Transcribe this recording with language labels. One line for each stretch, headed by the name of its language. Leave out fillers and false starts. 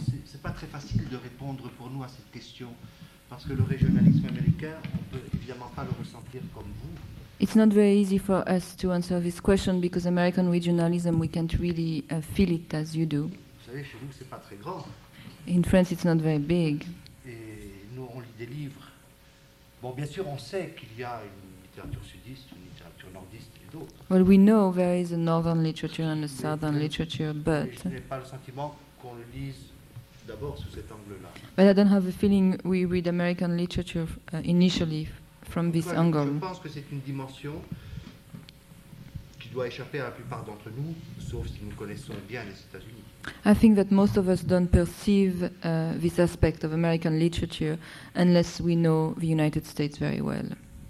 French: C'est pas très facile de répondre pour nous à cette question parce que le régionalisme américain, on peut évidemment pas le ressentir comme vous.
English: It's not very easy for us to answer this question because American regionalism, we can't really feel it as you do.
French: Vous savez, chez nous, c'est pas très grand.
English: In France, it's not very big.
French: Et nous, on lit des livres. Bon, bien sûr, on sait qu'il y a une littérature sudiste, une littérature nordiste et d'autres.
English: Well, we know there is a northern literature and a southern literature, but...
French: Je n'ai pas le sentiment qu'on le lise d'abord sous cet angle-là.
English: But I don't have a feeling we read American literature initially. From this angle.
French: Je pense que c'est une dimension qui doit échapper à la plupart d'entre nous, sauf si nous connaissons bien les États-Unis.
English: I think that most of us don't perceive this aspect of American literature unless we know the United States very well.